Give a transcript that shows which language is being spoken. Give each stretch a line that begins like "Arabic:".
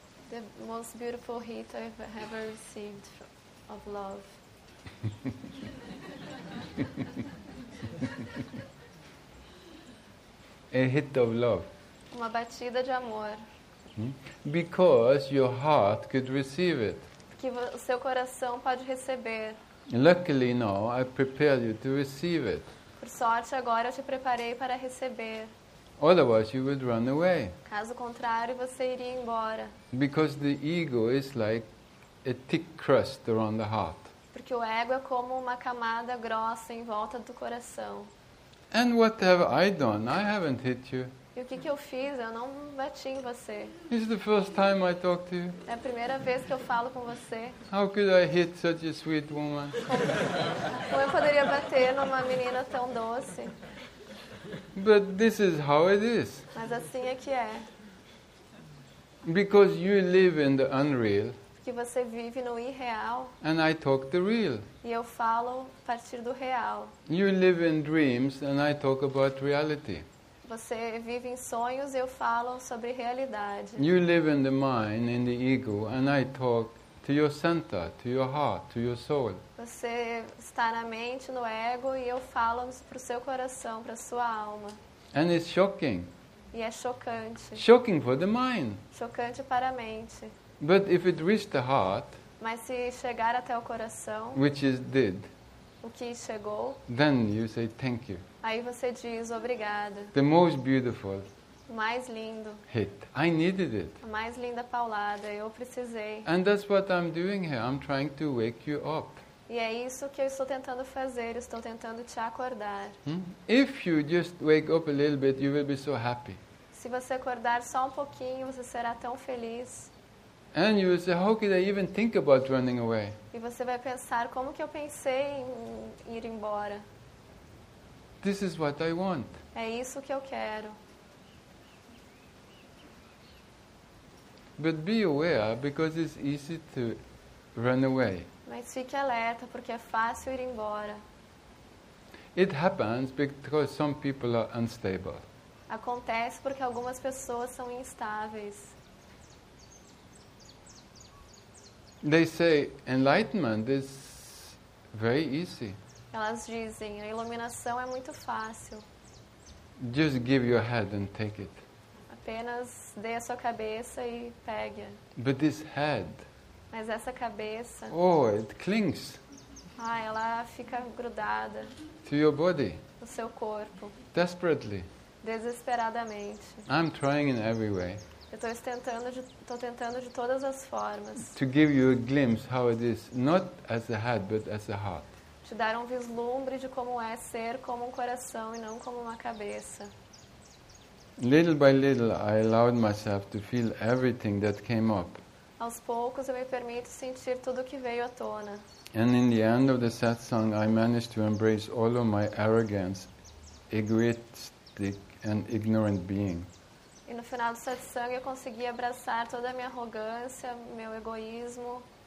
English: The most beautiful hit I've ever received of love. A hit of love.
Portuguese: Uma batida de amor.
English: Because your heart could receive it.
Portuguese: Que o seu coração pode receber.
English: Luckily now I prepared you to receive it.
Portuguese: Por sorte agora eu te preparei para receber.
English: Otherwise, you would run away.
Portuguese: Caso contrário, você iria embora.
English: Because the ego is like a thick crust around the heart.
Portuguese: Porque o ego é como uma camada grossa em volta do coração.
English: And what have I done? I haven't hit you.
Portuguese: E o que que eu fiz? Eu não bati em você.
English: It's the first time I talk to you.
Portuguese: É a primeira vez que eu falo com você.
English: How could I hit such a sweet woman?
Portuguese: Como eu poderia bater numa menina tão doce?
English: But this is how it is.
Portuguese: Mas assim é que é.
English: Because you live in the unreal.
Portuguese: Que você vive no irreal.
English: And I talk the real.
Portuguese: E eu falo a partir do real.
English: You live in dreams and I talk about reality.
Portuguese: Você vive em sonhos e eu falo sobre realidade.
English: You live in the mind, in the ego, and I talk to your center, to your heart, to your soul.
Portuguese: Você está na mente, no ego, e eu falo para o seu coração, para a sua alma.
English: And it's shocking.
Portuguese: E é chocante.
English: Shocking for the mind.
Portuguese: Chocante para a mente.
English: But if it reached the heart,
Portuguese: mas se chegar até o coração,
English: which it did,
Portuguese: o que chegou,
English: then you say thank you.
Portuguese: Aí você diz obrigada.
English: The most beautiful.
Portuguese: Mais lindo.
English: Hit. I needed it.
Portuguese: A mais linda paulada, eu precisei.
English: And that's what I'm doing here. I'm trying to wake you up.
Portuguese: E é isso que eu estou tentando fazer, estou tentando te acordar.
English: If you just wake up a little bit, you will be so happy.
Portuguese: Se você acordar só um pouquinho, você será tão feliz.
English: And you will say, how could I even think about running away?
Portuguese: E você vai pensar, como que eu pensei em ir embora?
English: This is what I want.
Portuguese: É isso que eu quero.
English: But be aware, because it's easy to run away.
Portuguese: Mas fique alerta, porque é fácil ir embora.
English: It happens because some people are unstable.
Portuguese: Acontece porque algumas pessoas são instáveis.
English: They say enlightenment is very easy.
Portuguese: Elas dizem, a iluminação é muito fácil.
English: Just give your head and take it.
Portuguese: Apenas dê a sua cabeça e pegue-a.
English: But this head.
Portuguese: Mas essa cabeça.
English: Oh, it clings.
Portuguese: Ah, ela fica grudada.
English: To your body.
Portuguese: No seu corpo.
English: Desperately.
Portuguese: Desesperadamente.
English: I'm trying in every way.
Portuguese: Eu estou tentando de todas as formas.
English: To give you a glimpse how it is, not as a head, but as a heart.
Portuguese: Te dar um vislumbre de como é ser como um coração e não como uma cabeça.
English: Little by little, I allowed myself to feel everything that came up.
Portuguese: Aos poucos, eu me permito sentir tudo o que veio à tona.
English: And in the end of the satsang, I managed to embrace all of my arrogance, egoistic and ignorant being.
Portuguese: E no final do satsang eu consegui abraçar toda a minha arrogância, meu egoísmo.